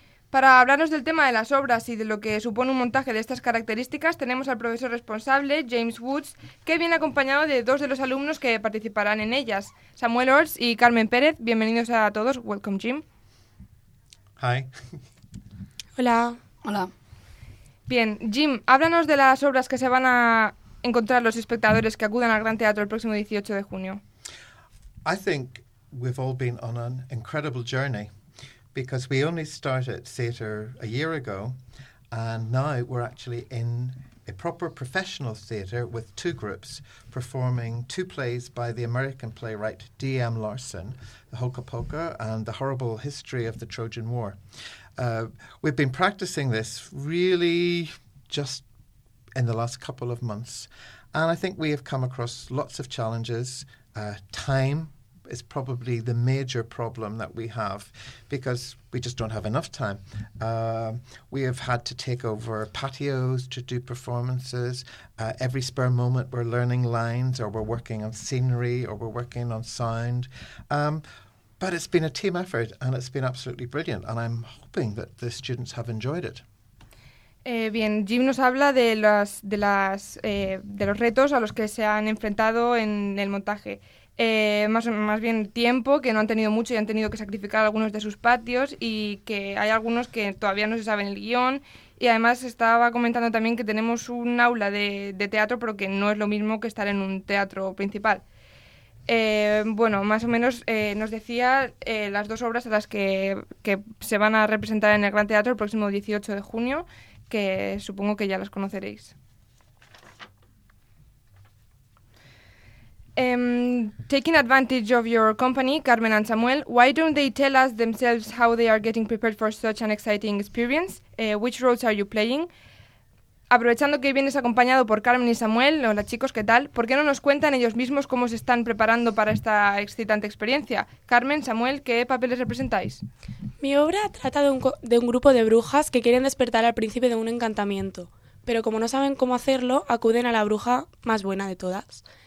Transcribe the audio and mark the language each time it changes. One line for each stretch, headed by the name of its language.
Spanish: Para hablarnos del tema de las obras y de lo que supone un montaje de estas características, tenemos al profesor responsable, James Woods, que viene acompañado de dos de los alumnos que participarán en ellas, Samuel Orts y Carmen Pérez. Bienvenidos a todos.
English: Welcome, Jim. Hi.
Spanish: Hola. Hola. Bien, Jim, háblanos de las obras que se van a encontrar los espectadores que acudan al Gran Teatro el próximo 18 de junio.
English: I think we've all been on an incredible journey. Because we only started theatre a year ago, and now we're actually in a proper professional theatre with two groups performing two plays by the American playwright D.M. Larson, The Holka Polka and The Horrible History of the Trojan War. We've been practicing this really just in the last couple of months, and I think we have come across lots of challenges. Time is probably the major problem that we have because we just don't have enough time. We have had to take over patios to do performances. Every spare moment we're learning lines or we're working on scenery or we're working on sound. But it's been a team effort and it's been absolutely brilliant and I'm hoping that the students have enjoyed it.
Spanish: Bien, Jim nos habla de los retos a los que se han enfrentado en el montaje. Más bien tiempo, que no han tenido mucho y han tenido que sacrificar algunos de sus patios y que hay algunos que todavía no se saben el guión. Y además estaba comentando también que tenemos un aula de teatro, pero que no es lo mismo que estar en un teatro principal. Bueno, más o menos nos decía las dos obras a las que se van a representar en el Gran Teatro el próximo 18 de junio, que supongo que ya las conoceréis.
English: Taking advantage of your company, Carmen and Samuel, why don't they tell us themselves how they are getting prepared for such an exciting experience? Which roles are you playing?
Spanish: aprovechando que vienes acompañado por Carmen y Samuel, hola chicos, ¿qué tal? ¿Por qué no nos cuentan ellos mismos cómo se están preparando para esta excitante experiencia? Carmen, Samuel, ¿qué papeles representáis? Mi obra trata de un grupo de brujas que quieren despertar al príncipe de un encantamiento, pero como no saben cómo hacerlo, acuden a la bruja más buena de todas.